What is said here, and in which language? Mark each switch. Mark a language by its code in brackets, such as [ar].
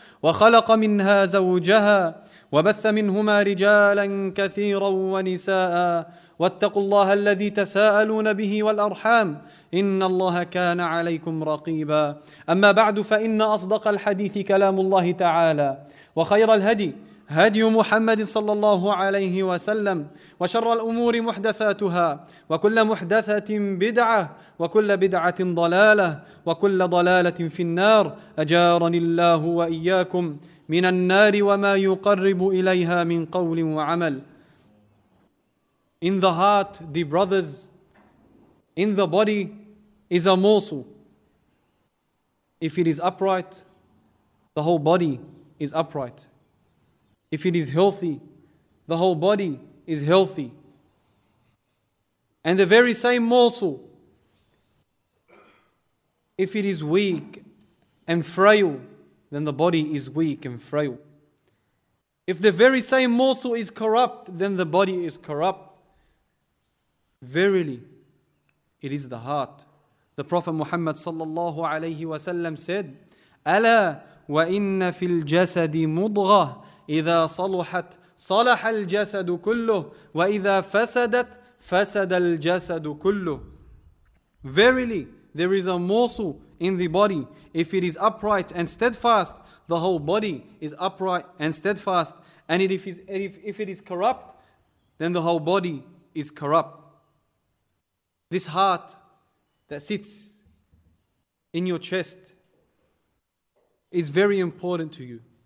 [ar] وخلق منها زوجها وبث منهما رجالا كثيرا ونساء واتقوا الله الذي تساءلون به والأرحام إن الله كان عليكم رقيبا أما بعد فإن أصدق الحديث كلام الله تعالى وخير الهدي هدي محمد صلى الله عليه وسلم وشر الأمور محدثاتها وكل محدثة بدعة وكل بدعة ضلالة وكل ضلالة في النار أجارني الله وإياكم من النار وما يقرب إليها من قول وعمل. [en] In the heart, the brothers, in the body is a morsel. If it is upright, the whole body is upright. If it is healthy, the whole body is healthy. And the very same morsel, if it is weak and frail, then the body is weak and frail. If the very same morsel is corrupt, then the body is corrupt. Verily, it is the heart. The Prophet Muhammad sallallahu alayhi wa sallam said, Ala wa inna fil jasadi mudghah. [ar] إِذَا صَلُحَتْ صَلَحَ الْجَسَدُ كُلُّهُ وَإِذَا فَسَدَتْ فَسَدَ الْجَسَدُ كُلُّهُ [en] Verily, there is a morsel in the body. If it is upright and steadfast, the whole body is upright and steadfast. And if it is corrupt, then the whole body is corrupt. This heart that sits in your chest is very important to you.